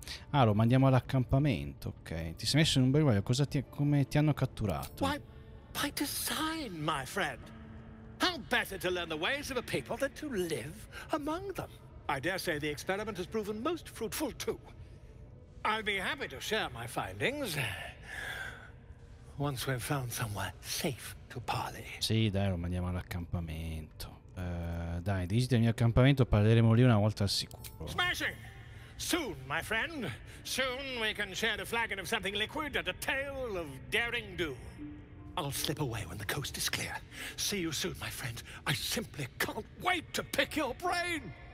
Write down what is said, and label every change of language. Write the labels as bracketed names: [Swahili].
[Italian] Lo mandiamo all'accampamento, ok. Ti sei messo in un bagaglio, come ti hanno catturato? [English] Why, by design, my friend. How better to learn the ways of a people than to live among them? I dare say the experiment has proven most fruitful too. I'd be happy to share my findings. Once we've found somewhere safe to parley. [Italian] Sì, dai, lo mandiamo all'accampamento. Dai, visita il mio accampamento, parleremo lì una volta al sicuro. [English] Smashing! Soon, my friend. Soon we can share the flagon of something liquid and a tale of daring do. I'll slip away when the coast is clear. See you soon, my friend. I simply can't wait to pick your brain!